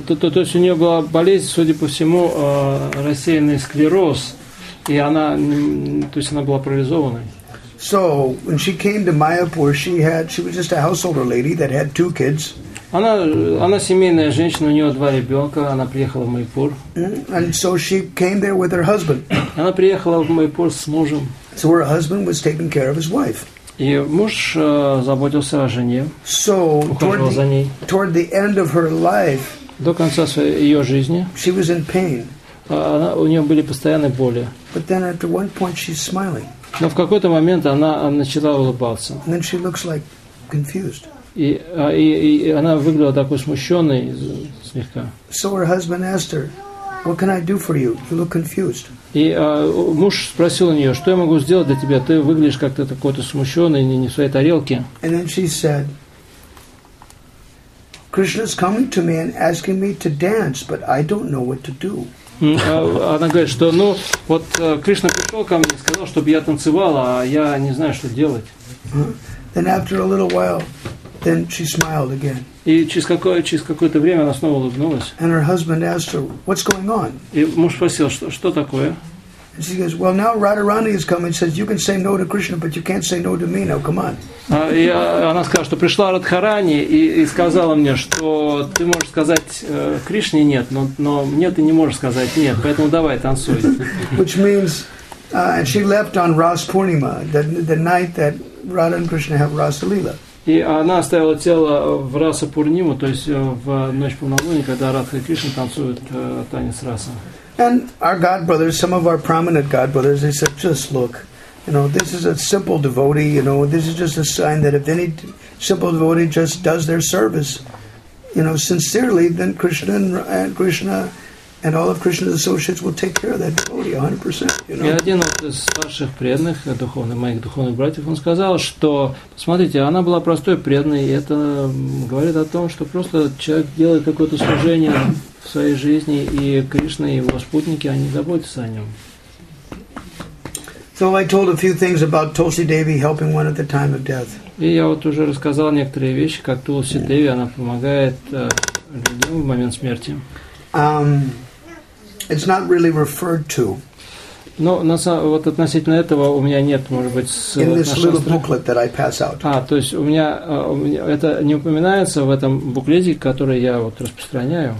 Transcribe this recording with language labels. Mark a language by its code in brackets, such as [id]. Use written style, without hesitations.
[ru] То есть у нее была болезнь, судя по всему, рассеянный склероз, и она, то есть она была парализованной. [en] So when she came to Mayapur, she was just a householder lady that had two kids. [ru] Она семейная женщина, у нее два ребенка, она приехала в Майяпур. [en] And so she came there with her husband. [ru] Она приехала в Майяпур с мужем. [en] So her husband was taking care of his wife. [ru] И муж заботился о жене, [en] so, [ru] ухаживал за ней. [en] Toward the end of her life, [ru] до конца своей ее жизни, [en] she was in pain. [ru] У нее были постоянные боли. [en] But then at one point she's smiling. [ru] Но в какой-то момент она начала улыбаться. [en] And then she looks like confused. [ru] И она выглядела такой смущенной слегка. [en] So her husband asked her, "What can I do for you? You look confused." [ru] И муж спросил у нее, что я могу сделать для тебя? Ты выглядишь как-то какой-то смущенный, не в своей тарелке. [en] And then she said, "Krishna's coming to me and asking me to dance, but I don't know what to do." [ru] Она говорит, что, ну, вот Кришна пришел ко мне и сказал, чтобы я танцевала, а я не знаю, что делать. [en] Then after a little while, then she smiled again. [ru] И через какое-то время она снова улыбнулась. [en] And her husband asked her, "What's going on?" [ru] И муж спросил, что такое? [en] And she goes, "Well, now Radharani is coming. Says you can say no to Krishna, but you can't say no to me. Now, come on." [ru] И она сказала, что пришла Радхарани и сказала мне, что ты можешь сказать Кришне нет, но мне ты не можешь сказать нет. Поэтому давай танцуй. [en] Which means, and she left on Ras Purnima, the night that Radha and Krishna have Rasa Lila. [ru] И она оставила тело в Раса Пурниму, то есть в ночь полнолуния, когда Радха и Кришна танцуют танец Раса. [en] And our god brothers, some of our prominent god brothers, they said, "Just look, You know, this is a simple devotee, you know, this is just a sign that if any simple devotee just does their service, you know, sincerely, then Krishna and all of Krishna's associates will take care of that devotee 100%, you know. [ru] И один из ваших преданных, духовных, моих духовных братьев, он сказал, что, посмотрите, она была простой преданной, и это говорит о том, что просто человек делает какое-то служение в своей жизни, и Кришна и его спутники, они заботятся о нем. [en] So I told a few things about Tulsi Devi helping one at the time of death. [ru] И я вот уже рассказал некоторые вещи, как Тулси Деви, она помогает людям в момент смерти. [en] It's not really referred to. [ru] Но вот относительно этого у меня нет, может быть, ссылок на шастры. [en] In this little booklet that I pass out. [ru] А, то есть у меня это не упоминается в этом буклете, который я вот распространяю.